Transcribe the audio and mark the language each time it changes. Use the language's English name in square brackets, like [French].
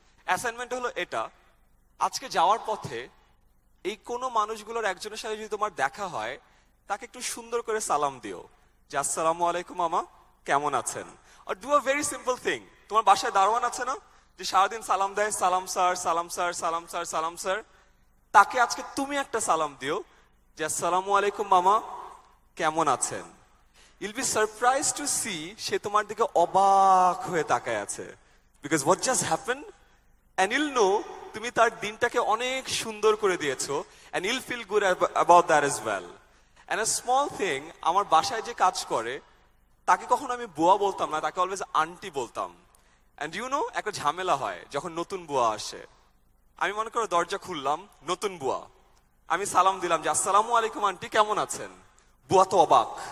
[Bangla] Assignment হলো এটা, আজকে যাওয়ার পথে এই কোনো মানুষগুলোর একজনের সাথে যদি তোমার দেখা হয়, তাকে একটু সুন্দর করে সালাম দিও, যে আসসালামু আলাইকুম মামা, কেমন আছেন? আর [English] do a very simple thing, [Bangla] তোমার বাসায় দারোয়ান আছে না যে সারাদিন সালাম দেয়, সালাম স্যার, সালাম স্যার, সালাম স্যার, সালাম স্যার, তাকে আজকে তুমি একটা সালাম দিও, যে আসসালামু আলাইকুম মামা, কেমন আছেন? [English] You'll be surprised to see [Bangla] সে তোমার দিকে অবাক হয়ে তাকায় আছে [English] because what just happened and you'll know [Bangla] তুমি তার দিনটাকে অনেক সুন্দর করে দিয়েছো [English] and you'll feel good about that as well. And a small thing, [Bangla] আমার বাসায় যে কাজ করে তাকে কখনো আমি বুয়া বলতাম না, তাকে অলওয়েজ আন্টি বলতাম. [English] And you know [Bangla] একটা ঝামেলা হয় যখন নতুন বুয়া আসে. আমি মনে করো দরজা খুললাম, নতুন বুয়া, আমি সালাম দিলাম যে আসসালামু আলাইকুম আন্টি, কেমন আছেন? বুয়া তো অবাক.